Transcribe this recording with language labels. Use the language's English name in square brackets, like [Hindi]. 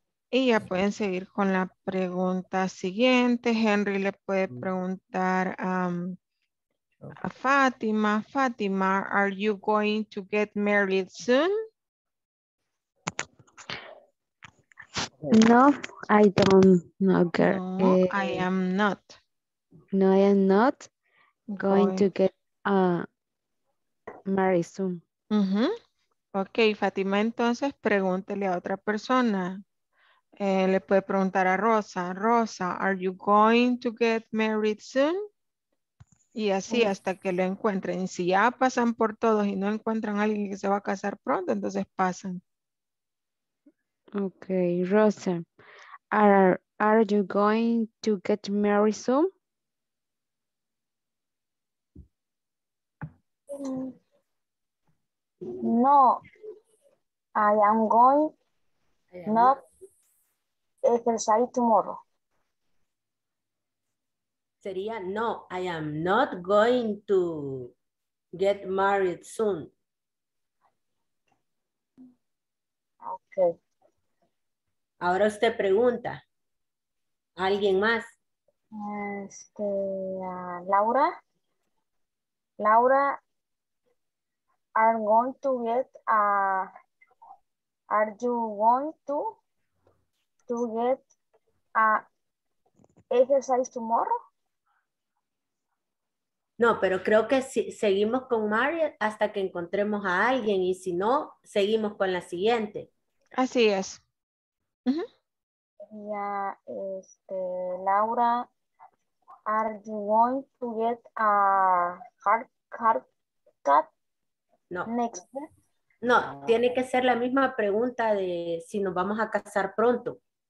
[Spanish] Y ya pueden seguir con la pregunta siguiente. Henry le puede preguntar a Fátima. [English] Fátima, are you going to get married soon? No, I don't know, girl. No, I am not. No, I am not going to get married soon. [Spanish] Mm-hmm. Ok, Fátima, entonces pregúntele a otra persona. Le puede preguntar a Rosa. [English] Rosa, are you going to get married soon? [Spanish] Y así hasta que lo encuentren. Si ya pasan por todos y no encuentran a alguien que se va a casar pronto, entonces pasan. [English] Ok, Rosa, are you going to get married soon? No, I am going not exercise tomorrow. [Spanish] Sería [English] no, I am not going to get married soon. Okay. [Spanish] Ahora usted pregunta. ¿Alguien más? Laura. [English] Laura, are you going to get a exercise tomorrow? [Spanish] No, pero creo que si seguimos con Mario hasta que encontremos a alguien y si no, seguimos con la siguiente. Así es. Uh-huh. Ya, [English] Laura, are you going to get a haircut? No. Next. [Spanish] No, tiene que ser la misma pregunta de si nos vamos a casar pronto.